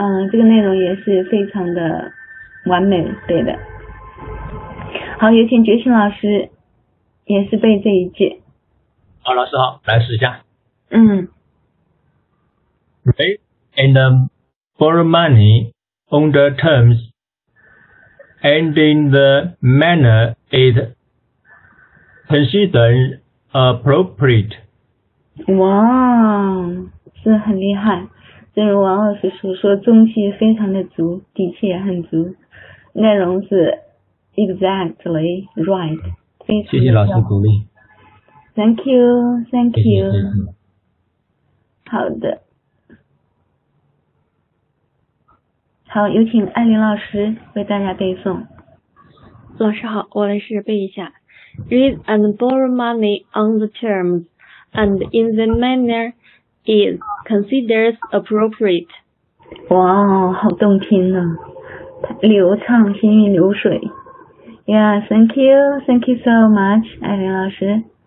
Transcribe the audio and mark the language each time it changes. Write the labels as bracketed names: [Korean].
[Chinese] 这个内容也是非常的完美，对的。好，有请觉醒老师，也是背这一句。好，老师好，来试一下。嗯。 [English] Raise and borrow money on the terms and in the manner it considered appropriate. [Chinese] 哇，是很厉害。正如王老师所说，中气非常的足，底气也很足，内容是 [English] exactly right， [Chinese] 非常的。谢谢老师鼓励。 [English] Thank you, thank you。 [Chinese] 好的。好，有请艾琳老师为大家背诵。老师好，我来试着背一下。 [English] Read and borrow money on the terms and in the manner. Is considers appropriate. [Chinese] 哇，好动听啊，流畅，行云流水。 [English] Yeah, thank you so much, 艾琳老师。